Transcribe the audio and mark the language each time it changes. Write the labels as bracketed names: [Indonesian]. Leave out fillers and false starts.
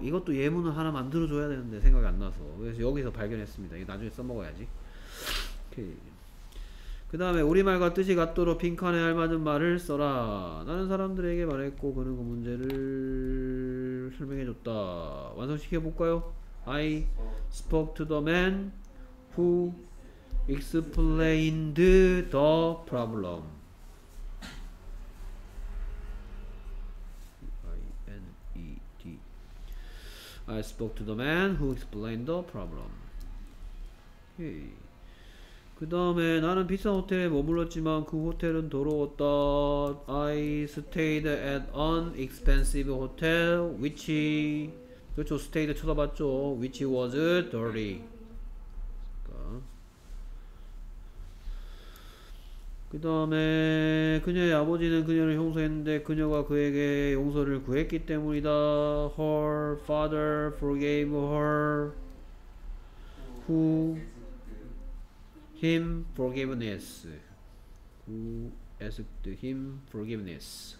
[Korean] 이것도 예문을 하나 만들어줘야 되는데 생각이 안 나서 그래서 여기서 발견했습니다. 이거 나중에 써먹어야지. 오케이. 그 다음에 우리말과 뜻이 같도록 빈칸에 알맞은 말을 써라. 나는 사람들에게 말했고 그는 그 문제를 설명해줬다. 완성시켜볼까요? [English] I spoke to the man who explained the problem. I-N-E-D. I spoke to the man who explained the problem. Okay. [Korean] 그 다음에 나는 비싼 호텔에 머물렀지만 그 호텔은 더러웠다. [English] I stayed at an expensive hotel which [Korean] 그렇죠 [English] stayed [Korean] 쳐다봤죠 [English] which was dirty. [Korean] 그 다음에 그녀의 아버지는 그녀를 용서했는데 그녀가 그에게 용서를 구했기 때문이다. [English] Her father forgave her who him forgiveness who asked him forgiveness.